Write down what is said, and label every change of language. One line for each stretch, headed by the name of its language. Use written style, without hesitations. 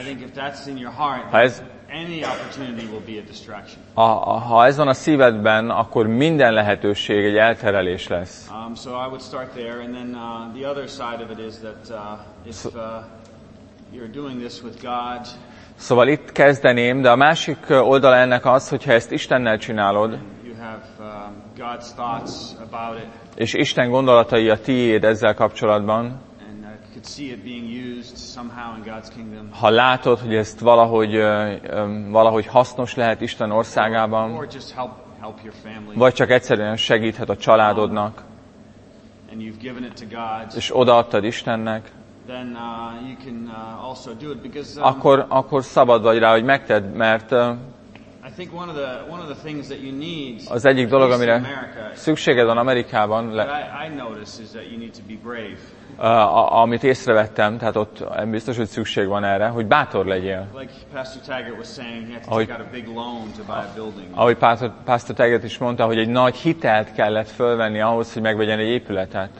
English: I think if that's in your heart, any opportunity will be a distraction.
Hungarian: Ha ez van a szívedben, akkor minden lehetőség egy elterelés lesz.
English: So I would start there, and then the other side of it is that if you're doing this with God.
Hungarian: Szóval itt kezdeném, de a másik oldala ennek az, hogyha ezt Istennel csinálod.
English: You have God's thoughts about it.
Hungarian: És Isten gondolatai a tiéd ezzel kapcsolatban.
English: And could see it being used somehow in God's kingdom.
Hungarian: Ha látod, hogy ezt valahogy valahogy hasznos lehet Isten országában.
English: Or just help your family.
Hungarian: Vagy csak egyszerűen segíthet a családodnak.
English: And you've given it to God.
Hungarian: És odaadtad Istennek.
English: Then you can also do it because
Hungarian: akkor szabad vagy rá, hogy megtedd, mert
English: I think one of the things that you need.
Hungarian: Az egyik dolog, amire szükséged van Amerikában.
English: I notice is that you need to be brave.
Hungarian: Amit észrevettem, tehát ott biztos, hogy szükség van erre, hogy bátor legyél.
English: Like Pastor Taggart was saying, he had to take out a big loan to buy a building.
Hungarian: Ahogy Pastor Taggart is mondta, hogy egy nagy hitelt kellett fölvenni ahhoz, hogy megvegyen egy épületet.